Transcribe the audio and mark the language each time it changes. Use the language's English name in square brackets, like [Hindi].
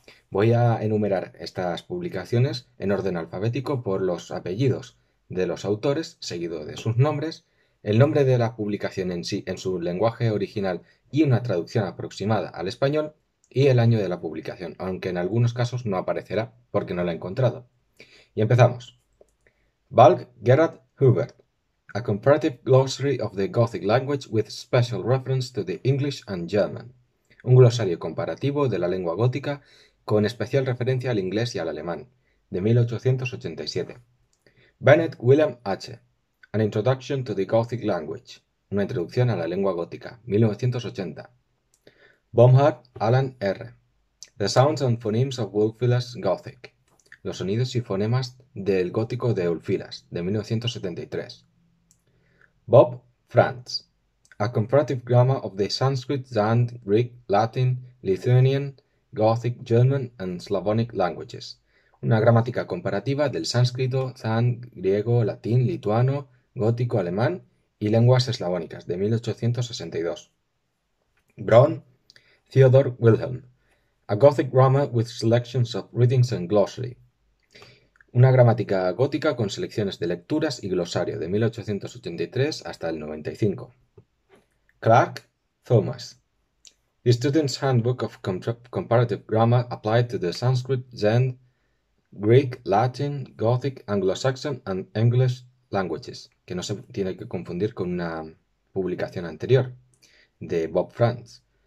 [Spanish] Voy a enumerar estas publicaciones en orden alfabético por los apellidos de los autores seguido de sus nombres, el nombre de la publicación en sí en su lenguaje original y una traducción aproximada al español y el año de la publicación, aunque en algunos casos no aparecerá porque no la he encontrado. Y empezamos. Balg, Gerhard Hubert. [English] A Comparative Glossary of the Gothic Language with Special Reference to the English and German. [Spanish] Un glosario comparativo de la lengua gótica con especial referencia al inglés y al alemán, de 1887. Bennett, William H. [English] An Introduction to the Gothic Language, [Spanish] una introducción a la lengua gótica, 1980. Baumhardt, Alan R. [English] The Sounds and Phonemes of Ulfilas Gothic, [Spanish] los sonidos y fonemas del gótico de Ulfilas, de 1973. Bob, Franz. [English] A Comparative Grammar of the Sanskrit, Zand, Greek, Latin, Lithuanian, Gothic, German and Slavonic Languages, [Spanish] una gramática comparativa del sánscrito, Zand, griego, latín, lituano, gótico alemán y lenguas eslavónicas de 1862. Braun, Theodor Wilhelm. [English] A Gothic Grammar with Selections of Readings and Glossary. [Spanish] Una gramática gótica con selecciones de lecturas y glosario de 1883 hasta el 95. [English] Clark, Thomas. The Student's Handbook of Comparative Grammar Applied to the Sanskrit, Zend, Greek, Latin, Gothic, Anglo-Saxon and English Languages, [Spanish] que no se tiene que confundir con una publicación anterior, de Bob Franz.